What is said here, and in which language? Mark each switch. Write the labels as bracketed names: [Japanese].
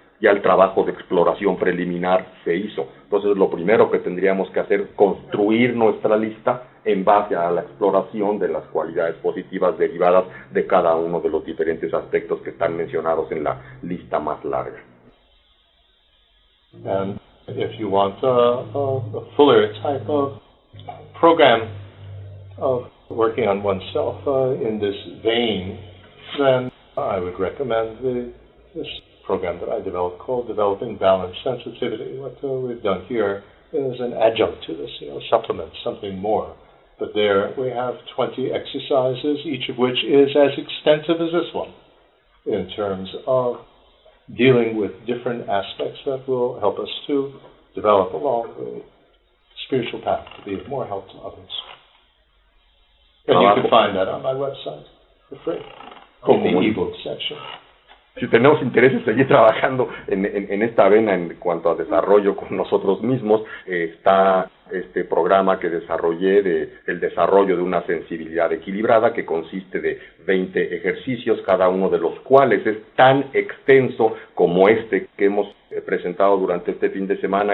[Spanish] Ya el trabajo de exploración preliminar se hizo. Entonces, lo primero que tendríamos que hacer es construir nuestra lista en base a la exploración de las cualidades positivas derivadas de cada uno de los diferentes aspectos que están mencionados en la lista más larga. [English] And if you want a fuller type of program of working on oneself in this vein, then I would recommend this program that I developed called Developing Balance Sensitivity. What we've done here is an adjunct to this, you know, supplement, something more. But there we have 20 exercises, each of which is as extensive as this one in terms of dealing with different aspects that will help us to develop along the spiritual path to be of more help to others. And you can find that on my website for free, in the e-book section. [Spanish] Si tenemos interés en seguir trabajando en esta vena en cuanto a desarrollo con nosotros mismos, está este programa que desarrollé de el desarrollo de una sensibilidad equilibrada que consiste de 20 ejercicios, cada uno de los cuales es tan extenso como este que hemos presentado durante este fin de semana.